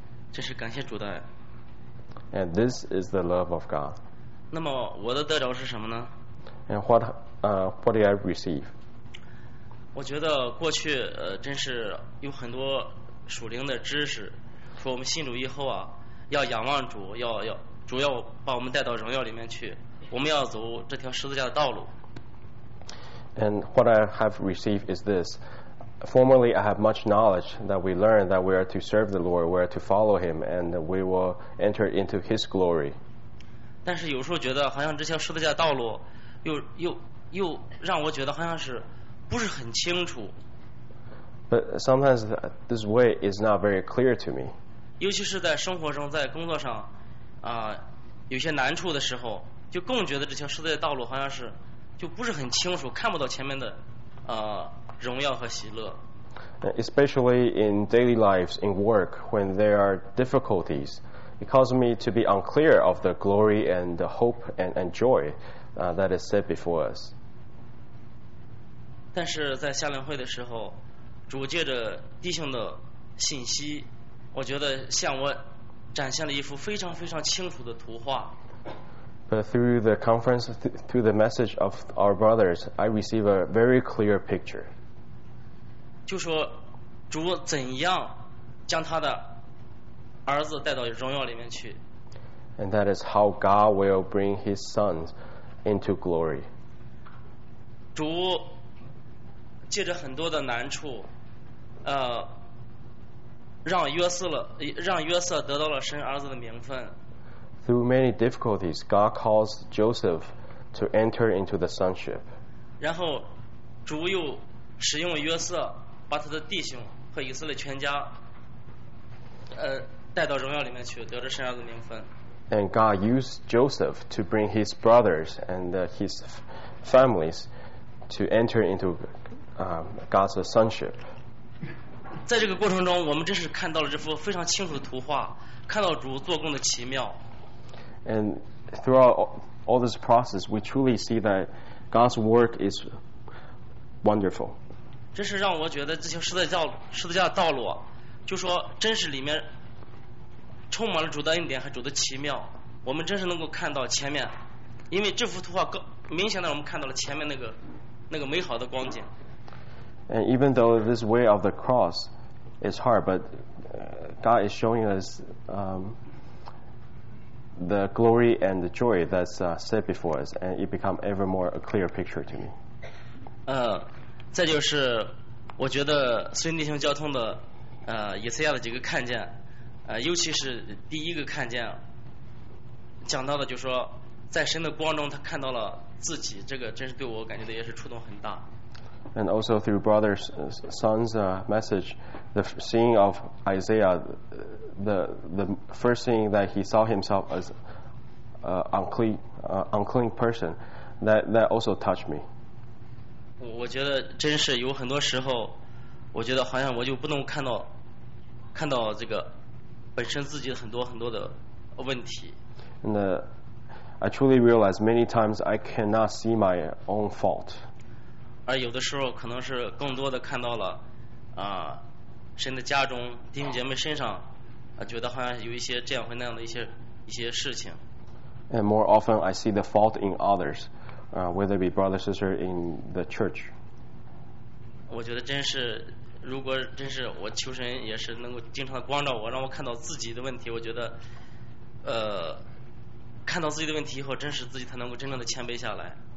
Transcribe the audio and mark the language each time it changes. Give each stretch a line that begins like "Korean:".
Chinese: 这是感谢主的。
English: And this is the love of God.
Chinese: 那么我的得着是什么呢？
English: And what did I receive?
Chinese: 我觉得过去真是有很多属灵的知识，说我们信主以后啊，要仰望主，要主要把我们带到荣耀里面去。我们要走这条十字架的道路。
English: And what I have received is this. Formerly I have much knowledge that we learn that we are to serve the Lord, we are to follow Him, and we will enter into His glory.
Chinese: 但是有时候觉得好像这条十字架的道路又让我觉得好像是不是很清楚。
English: But sometimes this way is not very clear to me.
Chinese: 尤其是在生活中，在工作上有些难处的时候，就更觉得这条十字架道路好像是就不是很清楚，看不到前面的荣耀和喜乐。
English: Especially in daily lives, in work, when there are difficulties, it causes me to be unclear of the glory and the hope and joy that is set before us.
Chinese: 但是在夏令会的时候，主借着弟兄的信息，我觉得向我展现了一幅非常非常清楚的图画。
English: But through the conference, through the message of our brothers, I receive a very clear picture.
Chinese: 就说主怎样将他的儿子带到荣耀里面去。
English: And that is how God will bring His sons into glory.
Chinese: 主借着很多的难处，让约瑟得到了神儿子的名分。
English: Through many difficulties, God calls Joseph to enter into the sonship.
Chinese: 然后主又使用约瑟把他的弟兄和以色列全家带到荣耀里面去，得着神儿子的名分。
English: And God used Joseph to bring his brothers and his families to enter into God's sonship.
Chinese: 在这个过程中，我们真是看到了这幅非常清楚的图画，看到主做工的奇妙。
English: And throughout all this process, we truly see that God's work is wonderful.
Chinese: 这是让我觉得这条十字架道路，就说真是里面充满了主的恩典和主的奇妙。我们真是能够看到前面，因为这幅图画明显的我们看到了前面那个美好的光景。
English: And even though this way of the cross is hard, but God is showing us the glory and the joy that's set before us, and it becomes ever more a clear picture to me.
Chinese: 再就是我觉得孙弟兄交通的以赛亚的几个看见，尤其是第一个看见讲到的，就说在神的光中他看到了自己，这个真是对我感觉的也是触动很大。
English: And also through brother son's message, the seeing of Isaiah, the first thing that he saw himself as unclean person, that also touched me.
Chinese: 我觉得真是有很多时候，我觉得好像我就不能看到这个本身自己很多很多的问题。
English: And I truly realize many times I cannot see my own fault.
Chinese: 而有的时候可能是更多的看到了神的家中弟兄姐妹身上觉得好像有一些这样或那样的一些事情。
English: And more often I see the fault in others, whether it be brother or sister in the church.
Chinese: 我觉得真是如果真是我求神也是能够经常的光照我让我看到自己的问题，我觉得看到自己的问题以后真是自己才能够真正的谦卑下来。